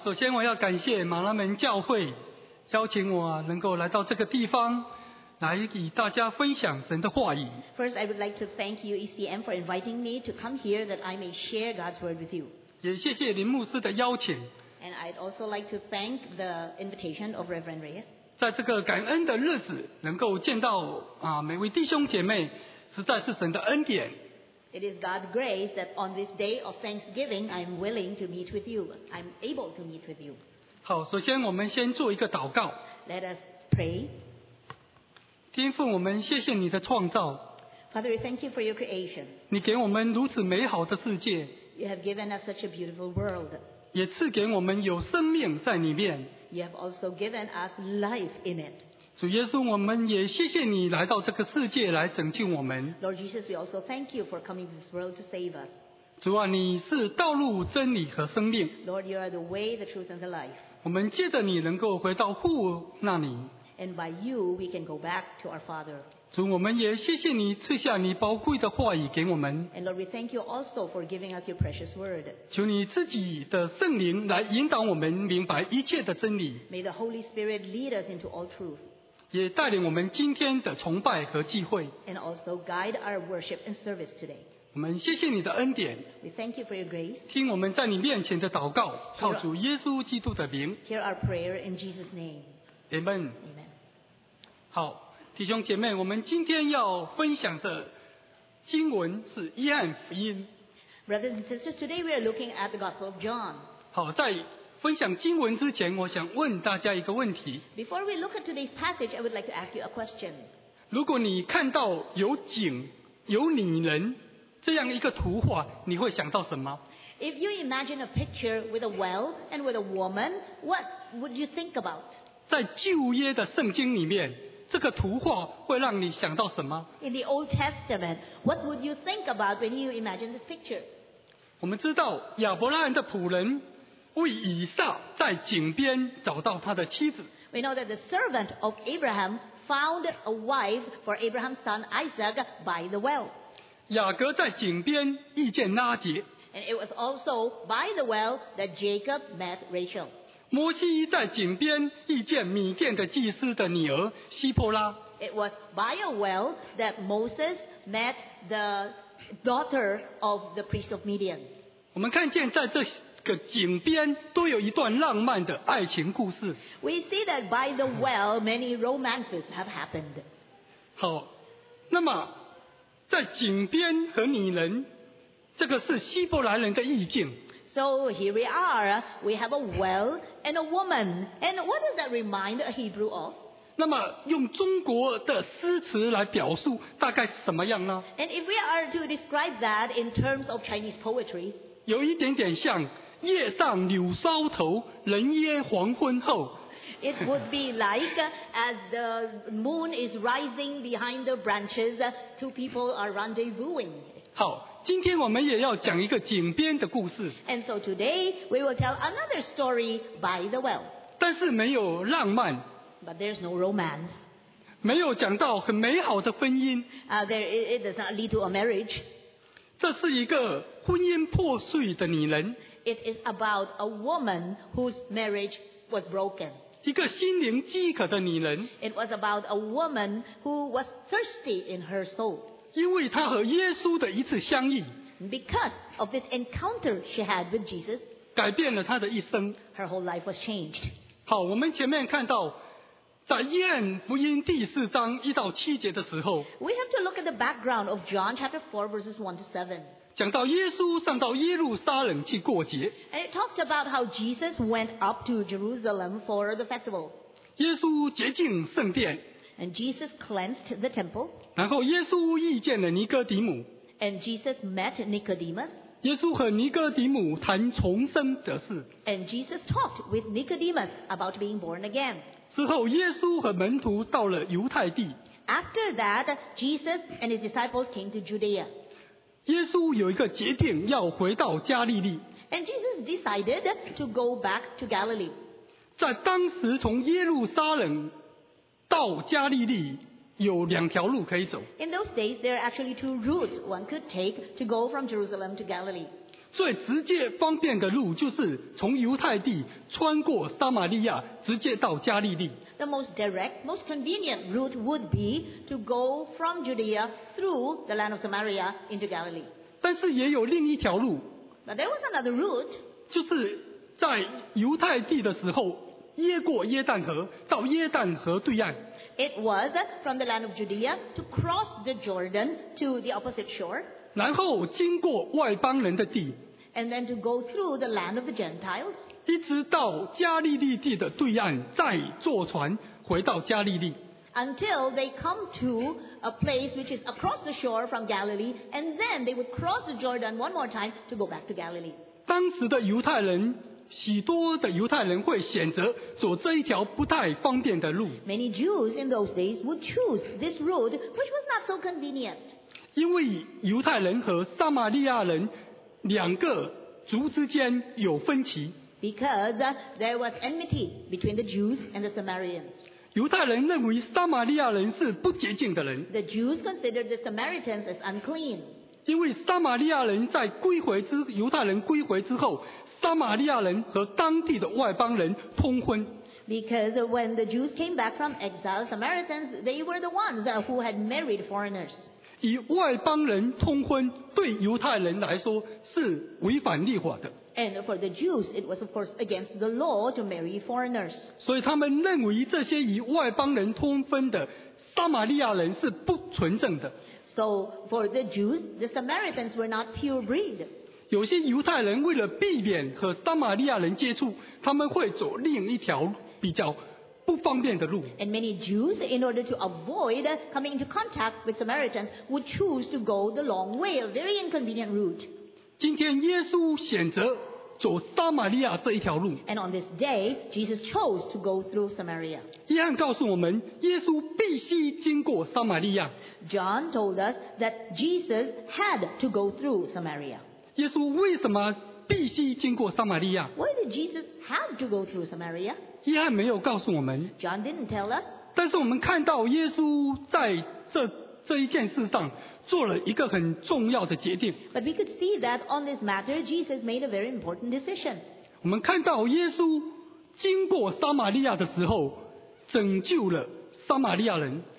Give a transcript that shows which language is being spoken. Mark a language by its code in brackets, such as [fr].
[zh] 首先我要感谢马拉门教会邀请我能够来到这个地方，来与大家分享神的话语。 [en] First, I would like to thank you, ECM, for inviting me to come here that I may share God's word with you. [zh] 也谢谢林牧师的邀请。 [en] And I'd also like to thank the invitation of Reverend Reyes. [zh] 在这个感恩的日子，能够见到每位弟兄姐妹，实在是神的恩典。 [en] It is God's grace that on this day of Thanksgiving, I'm willing to meet with you. I'm able to meet with you. [zh] 好，首先我们先做一个祷告。 [en] Let us pray. [zh] 天父，我们谢谢你的创造。 [en] Father, we thank you for your creation. [zh] 你给我们如此美好的世界。 [en] You have given us such a beautiful world. [zh] 也赐给我们有生命在里面。 [en] You have also given us life in it. [zh] 主耶稣，我们也谢谢你来到这个世界来拯救我们。 [en] Lord Jesus, we also thank you for coming to this world to save us. [zh] 主啊，你是道路、真理和生命。 [en] Lord, you are the way, the truth, and the life. [zh] 我们借着你能够回到父那里。 [en] And by you, we can go back to our Father. [zh] 主，我们也谢谢你赐下你宝贵的话语给我们。 [en] And Lord, we thank you also for giving us your precious word. [zh] 求你自己的圣灵来引导我们明白一切的真理。 [en] May the Holy Spirit lead us into all truth. [zh] 也带领我们今天的崇拜和聚会。 [en] And also guide our worship and service today. [zh] 我们谢谢你的恩典。 [en] We thank you for your grace. [zh] 听我们在你面前的祷告，靠主耶稣基督的名。 [en] Hear our prayer in Jesus' name. Amen. Amen. [zh] 好，弟兄姐妹，我们今天要分享的经文是约翰福音。 [en] Brothers and sisters, today we are looking at the Gospel of John. [zh] 好，在分享经文之前，我想问大家一个问题。 [en] Before we look at today's passage, I would like to ask you a question. [zh] 如果你看到有井、有女人这样一个图画，你会想到什么？ [en] If you imagine a picture with a well and with a woman, what would you think about? [zh] 在旧约的圣经里面，这个图画会让你想到什么？ [en] In the Old Testament, what would you think about when you imagine this picture? [zh] 我们知道亚伯拉罕的仆人为以撒在井边找到他的妻子。 [en] We know that the servant of Abraham found a wife for Abraham's son Isaac by the well. [zh] 雅各在井边遇见拉结。 [en] And it was also by the well that Jacob met Rachel. [zh] 摩西在井边遇见米甸的祭司的女儿西波拉。 [en] It was by a well that Moses met the daughter of the priest of Midian. [zh] 我们看见在这个井边都有一段浪漫的爱情故事。 [en] We see that by the well many romances have happened. [zh] 好，那么在井边和女人，这个是希伯来人的意境。 [en] So here we are, we have a well and a woman. And what does that remind a Hebrew of? [zh] 那么用中国的诗词来表述大概是什么样呢？ [en] And if we are to describe that in terms of Chinese poetry, [zh] 有一点点像夜上柳梢头，人约黄昏后。 [en] It would be like as the moon is rising behind the branches, two people are rendezvousing. [zh] 好，今天我们也要讲一个井边的故事。 [en] And so today we will tell another story by the well. [zh] 但是没有浪漫。 [en] But there's no romance. [zh] 没有讲到很美好的婚姻。 [en] It does not lead to a marriage. [zh] 这是一个婚姻破碎的女人。 [en] It is about a woman whose marriage was broken. [zh] 一个心灵饥渴的女人。 [en] It was about a woman who was thirsty in her soul. [zh] 因为她和耶稣的一次相遇。 [en] Because of this encounter she had with Jesus. [zh] 改变了她的一生。 [en] Her whole life was changed. [zh] 好，我们前面看到在约翰福音第四章一到七节的时候。 [en] We have to look at the background of John chapter 4 verses 1 to 7. [zh] 讲到耶稣上到耶路撒冷去过节。 [en] And it talked about how Jesus went up to Jerusalem for the festival. [zh] 耶稣洁净圣殿。 [en] And Jesus cleansed the temple. [zh] 然后耶稣遇见了尼哥底母。 [en] And Jesus met Nicodemus. [zh] 耶稣和尼哥底母谈重生的事。 [en] And Jesus talked with Nicodemus about being born again. [zh] 之后耶稣和门徒到了犹太地。 [en] After that, Jesus and his disciples came to Judea. [zh] 耶稣有一个决定要回到加利利。 [en] And Jesus decided to go back to Galilee. [zh] 在当时从耶路撒冷到加利利有两条路可以走。 [en] In those days, there are actually two routes one could take to go from Jerusalem to Galilee. [zh] 最直接方便的路就是从犹太地穿过撒玛利亚直接到加利利。 [en] The most direct, most convenient route would be to go from Judea through the land of Samaria into Galilee. [zh] 但是也有另一条路。 [en] But there was another route. [zh] 就是在犹太地的时候耶过耶旦河到耶旦河对岸。 [en] It was from the land of Judea to cross the Jordan to the opposite shore. [zh] 然后经过外邦人的地。 [en] And then to go through the land of the Gentiles. [zh] 一直到加利利地的对岸再坐船回到加利利。 [en] Until they come to a place which is across the shore from Galilee, and then they would cross the Jordan one more time to go back to Galilee. [zh] 当时的犹太人许多的犹太人会选择走这一条不太方便的路。 [en] Many Jews in those days would choose this route which was not so convenient. [zh] 因为犹太人和撒玛利亚人两个族之间有分歧。 [en] Because there was enmity between the Jews and the Samaritans. [zh] 犹太人认为撒玛利亚人是不洁净的人。 [en] The Jews considered the Samaritans as unclean. [zh] 因为撒玛利亚人在归回之犹太人归回之后，撒玛利亚人和当地的外邦人通婚。 [en] Because when the Jews came back from exile, Samaritans they were the ones who had married foreigners. [zh] 以外邦人通婚对犹太人来说是违反律法的。 [en] And for the Jews, it was of course against the law to marry foreigners. [zh] 所以他们认为这些以外邦人通婚的撒玛利亚人是不纯正的。 [en] So for the Jews, the Samaritans were not pure breed. [zh] 有些犹太人为了避免和撒玛利亚人接触，他们会走另一条比较不方便的路。 [en] And many Jews, in order to avoid coming into contact with Samaritans, would choose to go the long way, a very inconvenient route. [zh] 今天耶稣选择走撒玛利亚这一条路。 [en] And on this day, Jesus chose to go through Samaria. [zh] 约翰告诉我们，耶稣必须经过撒玛利亚。 [en] John told us that Jesus had to go through Samaria. [zh] 耶稣为什么必须经过撒玛利亚？ [en] Why did Jesus have to go through Samaria? [zh] 约翰没有告诉我们。 [en] John didn't tell us. [zh] 但是我们看到耶稣在 这一件事上做了一个很重要的决定。 [en] But we could see that on this matter, Jesus made a very important decision. [zh] 我们看到耶稣经过撒玛利亚的时候，拯救了撒玛利亚人。